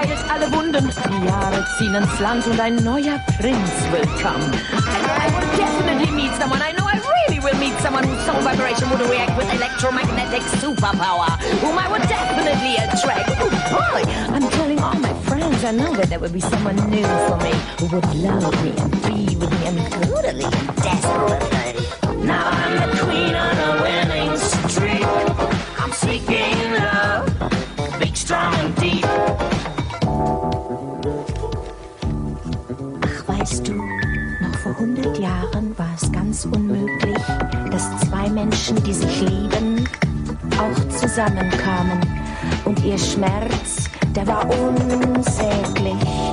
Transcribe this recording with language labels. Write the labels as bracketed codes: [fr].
[de] Alle Wunden, die Jahre ziehen ins Land und ein neuer Prinz will kommen. [en] I will definitely meet someone. I know I really will meet someone whose soul vibration would react with electromagnetic superpower. Whom I would definitely attract. Oh boy, I'm telling all my friends. I know that there would be someone new for me who would love me and be with me. I mean, totally and desperately. Now I'm the queen on a winning streak. I'm seeking love, big, strong, and deep. [de] Weißt du, noch vor 100 Jahren war es ganz unmöglich, dass zwei Menschen, die sich lieben, auch zusammenkamen. Und ihr Schmerz, der war unsäglich.